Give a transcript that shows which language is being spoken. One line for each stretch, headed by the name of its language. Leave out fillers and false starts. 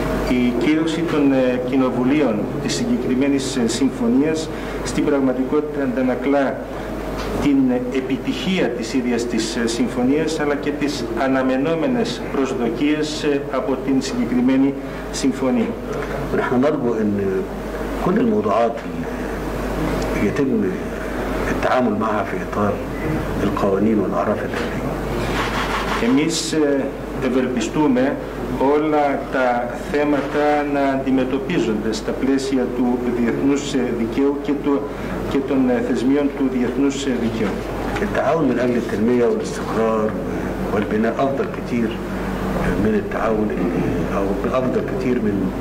Greek: Η κύρωση των κοινοβουλίων της συγκεκριμένης συμφωνίας στην πραγματικότητα αντανακλά την επιτυχία της ίδιας της συμφωνίας αλλά και τις αναμενόμενες προσδοκίες από την συγκεκριμένη συμφωνία.
Arabic: ونحن نرجو ان كل الموضوعات يتم التعامل معها في اطار القوانين والاعراف الدولية.
Greek: Εμείς ευελπιστούμε όλα τα θέματα να αντιμετωπίζονται στα πλαίσια του διεθνούς δικαίου και των θεσμίων του διεθνούς δικαίου.
Arabic: التعاون من اجل التنمية والاستقرار والبناء افضل كتير من التعاون او افضل كتير من